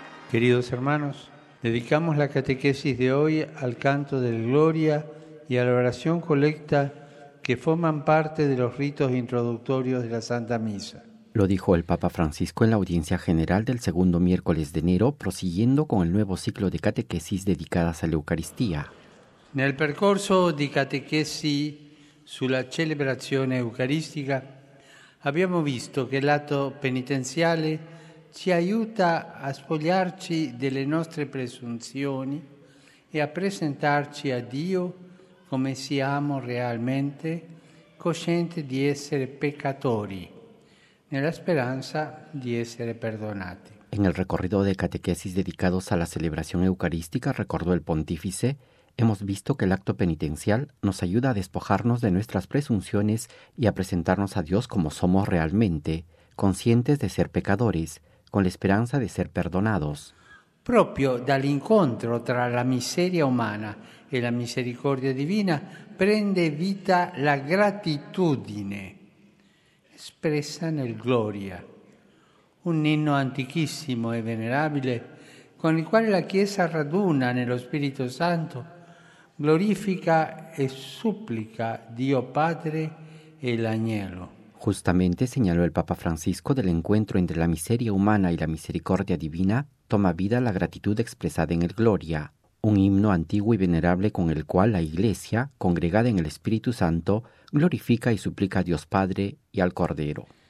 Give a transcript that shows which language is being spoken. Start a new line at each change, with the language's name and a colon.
Spanish: Queridos hermanos, dedicamos la catequesis de hoy al canto de la Gloria y a la oración colecta que forman parte de los ritos introductorios de la Santa Misa. Lo dijo el Papa Francisco en la audiencia general del segundo miércoles de enero, prosiguiendo con el nuevo ciclo de catequesis dedicadas a la Eucaristía.
Italian: En el percorso de catequesi sulla celebrazione eucaristica, abbiamo visto che l'atto penitenziale ci aiuta a spogliarci delle nostre presunzioni e a presentarci a Dio come siamo realmente, coscienti di essere peccatori, nella speranza di essere perdonati.
Spanish: En el recorrido de catequesis dedicados a la celebración eucarística, recordó el pontífice, hemos visto que el acto penitencial nos ayuda a despojarnos de nuestras presunciones y a presentarnos a Dios como somos realmente, conscientes de ser pecadores, con la esperanza de ser perdonados.
Italian: Proprio dall'incontro tra la miseria umana e la misericordia divina prende vita la gratitudine, espressa nel Gloria, un inno antichissimo e venerabile con il quale la Chiesa raduna nello Spirito Santo, glorifica e supplica Dio Padre e l'Agnello.
Spanish: Justamente señaló el Papa Francisco del encuentro entre la miseria humana y la misericordia divina, toma vida la gratitud expresada en el Gloria, un himno antiguo y venerable con el cual la Iglesia, congregada en el Espíritu Santo, glorifica y suplica a Dios Padre y al Cordero.